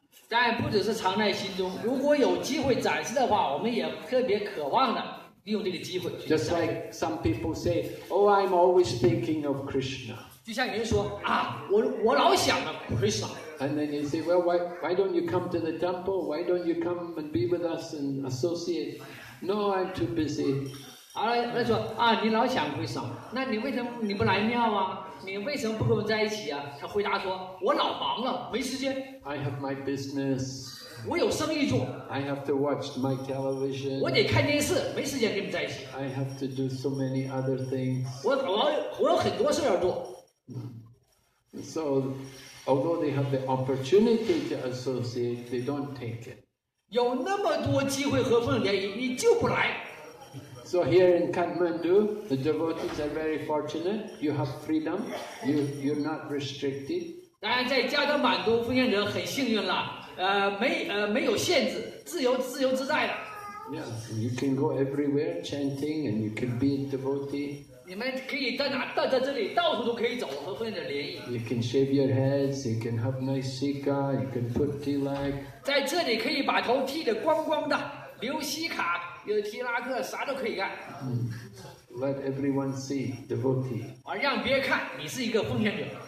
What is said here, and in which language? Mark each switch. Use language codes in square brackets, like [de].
[zh] 当然不只是藏在心中，如果有机会展示的话，我们也特别渴望的利用这个机会去。 [en] Just like some people say, oh, I'm always thinking of Krishna. [zh] 就像有人说啊，我老想着 Krishna。 [en] And then you say, well, why don't you come to the temple? Why don't you come and be with us and associate? No, I'm too busy. [zh] 好了，他说啊，你老想为什么？那你为什么你不来庙啊？你为什么不跟我在一起啊？他回答说，我老忙了，没时间。 [en] I have my business. [zh] 我有生意做。 [en] I have to watch my television. [zh] 我得看电视，没时间跟你们在一起。 [en] I have to do so many other things. [zh] 我有很多事要做。 [en] So. Although they have the opportunity to associate, they don't take it. [zh] 有那么多机会和奉献，你就不来。 [en] So here in Kathmandu, the devotees are very fortunate. You have freedom. You're not restricted. [zh] 当然，在加德满都，奉献者很幸运了。没有限制，自由自在的。 [en] Yeah, you can go everywhere chanting, and you can be a devotee. [zh] 你们可以在哪到在这里到处都可以走和奉献者联谊。 [en] You can shave your heads, you can have nice sika, you can put tilak. [zh] 在这里可以把头剃得光光的，留西卡，有提拉克，啥都可以干。 [en] Let everyone see devotee. [zh] 而让别人看你是一个奉献者。